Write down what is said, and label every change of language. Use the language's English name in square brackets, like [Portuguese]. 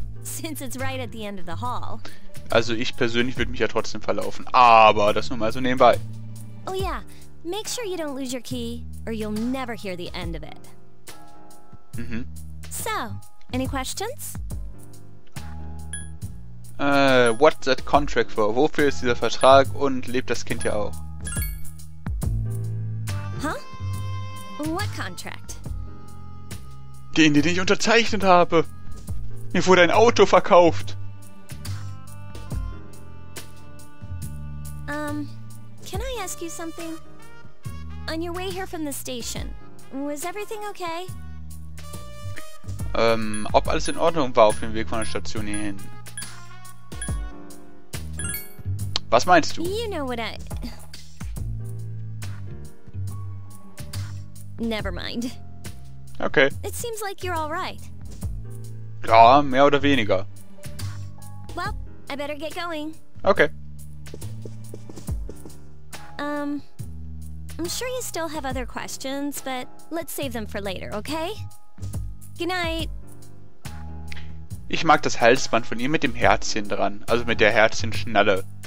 [English] Since it's right at the end of the hall. [German] Also ich persönlich würde mich ja trotzdem verlaufen, aber das nur mal so nebenbei. [English] Oh yeah, make sure you don't lose your key, or you'll never hear the end of it. Mhm. So, any questions? What's that contract for? [German] Wofür ist dieser Vertrag und lebt das Kind hier auch? [English] Huh? What contract? [German] Den ich unterzeichnet habe. Mir wurde ein Auto verkauft. [English] Can I ask you something? On your way here from the station, was everything okay? [German] Ob alles in Ordnung war auf dem Weg von der Station hierhin. Was meinst du? [English] You know what I... Never mind. Okay. It seems like you're all right. [German] Ja, mehr oder weniger. [English] Well, I better get going. Okay. I'm sure you still have other questions, but let's save them for later, okay? Good night. [German] Ich mag das Halsband von ihr mit dem Herzchen dran, also mit der Herzchenschnalle.